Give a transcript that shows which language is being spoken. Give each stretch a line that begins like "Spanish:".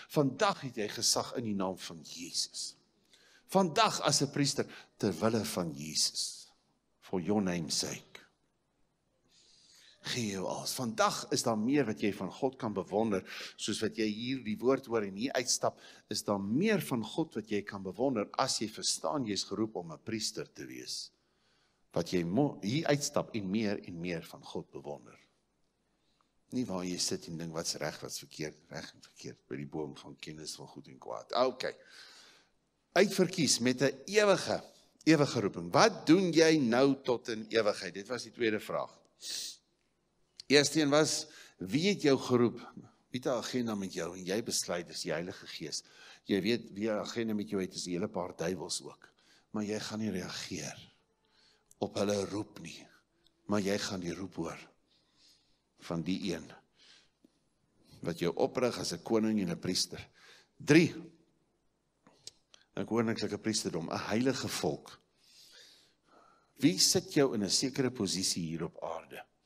Afrikaans: Vandag het jy gesag in die naam van Jesus. Vandag as 'n priester, terwille van Jesus.
English: For your name's sake.
Afrikaans: Gee jou als. Vandag is daar meer wat jy van God kan bewonder, soos wat jy hier die woord hoor en hier uitstap, is daar meer van God wat jy kan bewonder, as jy verstaan, jy is geroep om 'n priester te wees. Wat jy hier uitstap en meer van God bewonder. Nie waar jy sit en ding, wat's reg, wat's verkeerd, reg en verkeerd, by die boom van kennis van goed en kwaad. Ok. Uitverkies met 'n ewige roeping. Wat doen jy nou tot in ewigheid? Dit was die tweede vraag. Eerste een was, wie het jou geroep? Wie het 'n agenda met jou? En jy besluit, dis die Heilige Gees. Jy weet, wie 'n agenda met jou het, is die hele paar duivels ook. Maar jy gaan nie reageer op hulle roep nie. Maar jy gaan die roep hoor van die een wat jou oprig as 'n koning en 'n priester. 3. Een koninklike priesterdom, een heilige volk. Wie sit jou in een sekere positie hier op aarde?